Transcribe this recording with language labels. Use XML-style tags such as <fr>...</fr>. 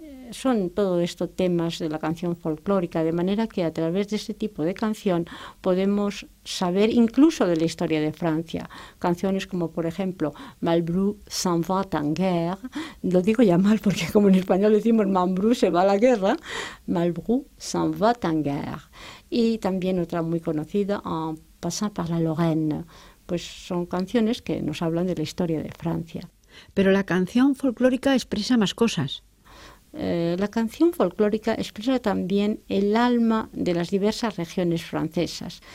<es>Son todo esto temas de la canción folclórica, de manera que a través de este tipo de canción podemos saber incluso de la historia de Francia. Canciones como, por ejemplo,</es> <fr>Malbrou s'en va en guerre.</fr> <es>Lo digo ya mal porque como en español decimos Malbrou se va a la guerra.</es> <fr>Malbrou s'en va en guerre.</fr> <es>Y también otra muy conocida,</es> <fr>En passant par la Lorraine.</fr> <es>Pues son canciones que nos hablan de la historia de Francia. Pero la canción folclórica expresa más cosas. La canción folclórica expresa también el alma de las diversas regiones francesas.</es>